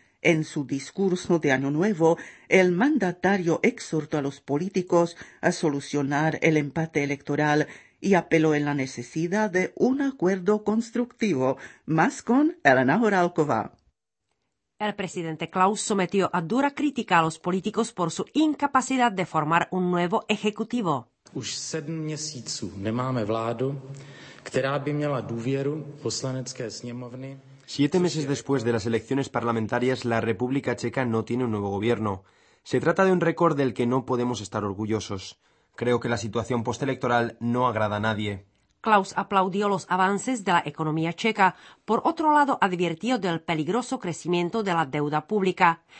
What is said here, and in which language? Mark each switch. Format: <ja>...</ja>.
<es>En su discurso de Año Nuevo, el mandatario exhortó a los políticos a solucionar el empate electoral y apeló en la necesidad de un acuerdo constructivo, más con Elena Horálková. El presidente Klaus sometió a dura crítica a los políticos por su incapacidad de formar un nuevo ejecutivo.</es> <cs>Už 7 měsíců nemáme vládu, která by měla důvěru poslanecké sněmovny.</cs> <es>7 meses después de las elecciones parlamentarias, la República Checa no tiene un nuevo gobierno. Se trata de un récord del que no podemos estar orgullosos. Creo que la situación postelectoral no agrada a nadie. Klaus aplaudió los avances de la economía checa. Por otro lado, advirtió del peligroso crecimiento de la deuda pública.</es>